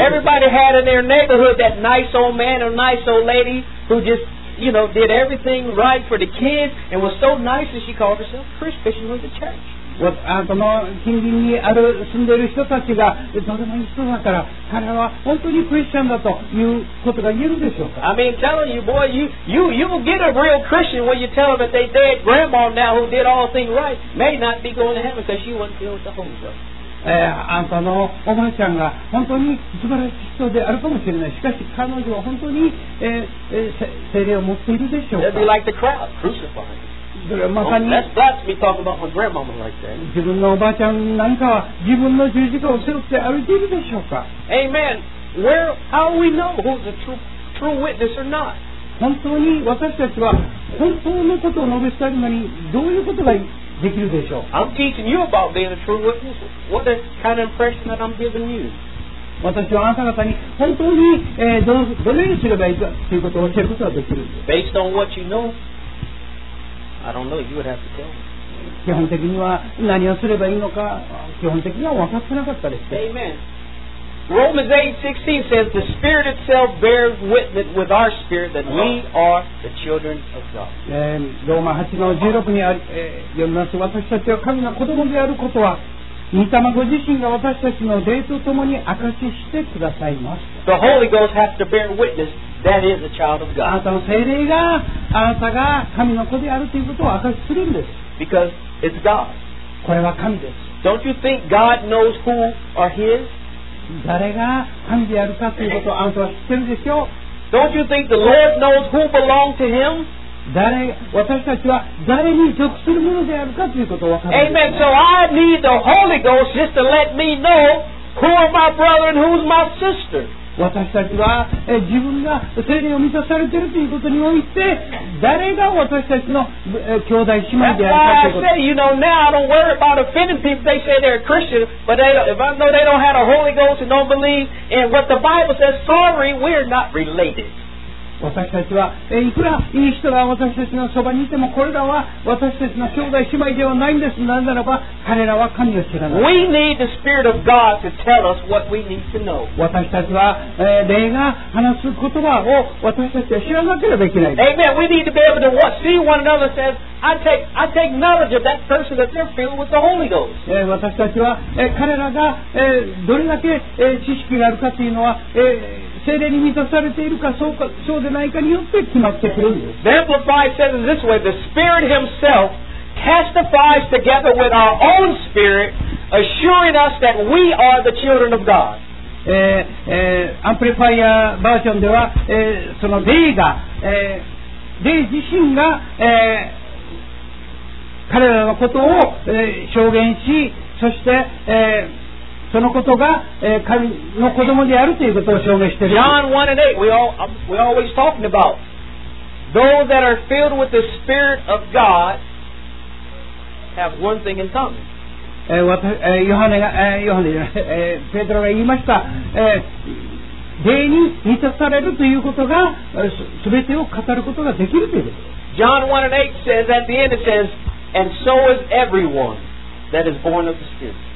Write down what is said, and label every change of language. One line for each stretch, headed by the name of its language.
English: Everybody had in their neighborhood that nice old man or nice old lady who just, you know, did everything right for the kids and was so nice that she called herself Christian, she went to church.
Japanese: あなたの近隣にある住んでいる人たちがどれもいい人だから、彼は本当にクリスチャンだということが言えるでしょうか。
English: I mean, telling you, boy, you will get a real Christian when you tell them that they dead grandma now who did all things right may not be going to heaven because she wasn't filled with the Holy Ghost.
Japanese: あんたのおばあちゃんが本当に素晴らしい人であるかもしれない。しかし彼女は本当に、聖霊を持っているでしょうか。
English: They'll be like the crowd, crucified.
Japanese: まさに、
English: oh, that's me talking about my grandmama like that.
Japanese: 自分のおばあちゃんなんかは自分の十字架を背負って歩いているでしょうか。
English: Amen. Where, how do we know who's a true witness or not?
Japanese: 本当に私たちは本当のことを述べたいのにどういうことができるでしょう。
English: I'm teaching you about being a true witness. What the kind of impression that I'm giving you?
Japanese: 私はあなた方に本当に、どのようにすればいいかということを教えることができる。
English: Based on what you know, I don't know, you would have to tell me.
Japanese: 基本的には何をすればいいのか基本的には分かってなかったです。
English: Amen. Romans 8:16 says, The Spirit itself bears witness with our spirit that we are the children of God.
Japanese: ローマ 8:16 にある、読みます。私たちは神の子供であることは御霊ご自身が私たちの霊とともに明かししてくださいます。
English: The Holy Ghost has to bear witness that is a child of God.
Japanese: あなたの聖霊があなたが神の子であるということを明かしするんです。
English: Because it's God.
Japanese: これは神です。
English: Don't you think God knows who are His?
Japanese: 誰が神であるかということをあなたは知ってるでしょう。
English: Don't you think the Lord knows who belong to Him?
Japanese: 私たちは誰に属するものであるかということを分かる、ね、
English: Amen. So I need the Holy Ghost just to let me know who are my brother and who's my sister.
Japanese: 私たちは自分が聖霊を満たされているということにおいて誰が私たちの兄弟姉妹であるかということ。
English: That's why I say, you know, now I don't worry about offending people. They say they're Christian, but if I know they don't have the Holy Ghost and don't believe in what the Bible says, sorry, we're not related.
Japanese: 私たちはいくらいい人が私たちのそばにいてもこれらは私たちの兄弟姉妹ではないんです。なぜならば彼らは神を知らない。
English: We need the Spirit of God to tell us what we need to know.
Japanese: 私たちは、霊が話す言葉を私たちは知らなければいけない。
English: Amen. We need to be able to see one another says I take knowledge of that person that they're filled with the Holy Ghost.
Japanese: 私たちは、彼らが、どれだけ、知識があるかというのは、聖霊に満たされているか、そうか、そうでないかによって決まってくるんです。
English: The Amplified says it this way, The Spirit Himself testifies together with our own spirit, assuring us that we are the children of God.
Japanese: Amplified version では、その霊が、霊自身が、彼らのことを、証言し、そして、そのことが、神の子供であるということを証明している。
English: John 1 and 8, we always talking about those that are filled with the Spirit of God have one thing in common.
Japanese: ヨハネが、ヨハネじゃない、ペトロが言いました。霊に満たされるということが、全てを語ることができるということ。
English: John 1 and 8 says, at the end it says, and so is everyone that is born of the Spirit.